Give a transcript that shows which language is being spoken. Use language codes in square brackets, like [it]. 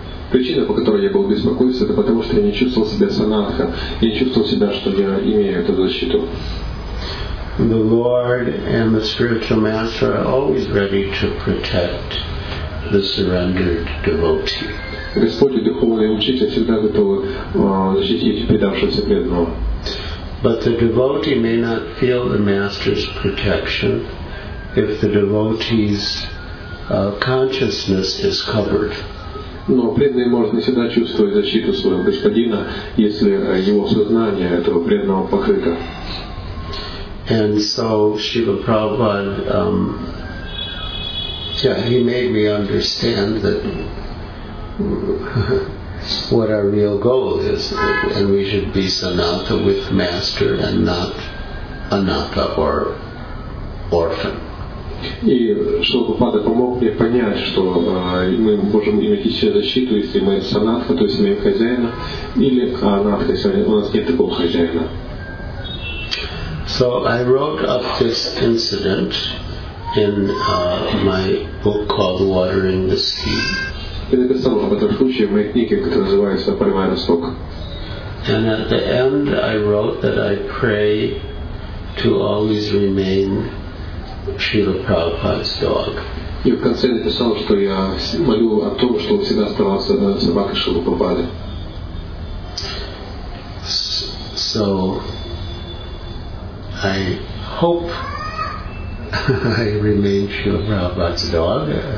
[ru] Причина, по которой я был беспокоен, это потому, что я не чувствовал себя санатха, я не чувствовал себя, что я имею эту защиту. [en] The Lord and the spiritual master are always ready to protect the surrendered devotee. [ru] Господь и духовный учитель всегда готовы защитить предавшегося преданного. [en] But the devotee may not feel the master's protection if the devotee's consciousness is covered. [ru] Но преданный может не всегда чувствовать защиту своего господина, если его сознание этого преданного покрыто. [en] And so Srila Prabhupada, he made me understand that what our real goal is, and we should be sanatha with master and not anatha or orphan. [ru] И Шрила Прабхупада помог мне понять, что мы можем иметь еще защиту, если мы санатха, то есть имеем хозяина, или анатха, если у нас нет такого хозяина. [en] So I wrote up this incident in my book called Watering the Steed. [ru] Я написал об этом случае в моей книге, которая называется «Поливая росток». [en] And at the end I wrote that I pray to always remain Srila Prabhupada's dog. [ru] И в конце написал, что я молю о том, чтобы всегда оставался собакой Шрилы Прабхупады. [en] So I hope I remain Srila Prabhupada's dog.